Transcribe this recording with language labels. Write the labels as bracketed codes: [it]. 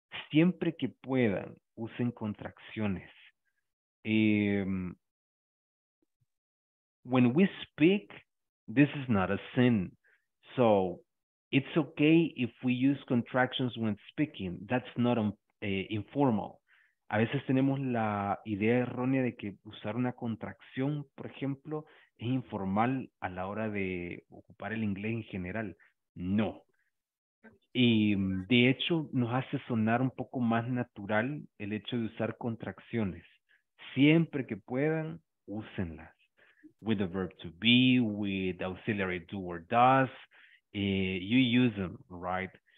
[es] Siempre que puedan, usen contracciones. [en] When we speak, this is not a sin. So it's okay if we use contractions when speaking. That's not informal. [es] A veces tenemos la idea errónea de que usar una contracción, por ejemplo, es informal a la hora de ocupar el inglés en general. No. Y de hecho, nos hace sonar un poco más natural el hecho de usar contracciones. Siempre que puedan, úsenlas. [en] With the verb to be, with auxiliary do or does, you use them, right?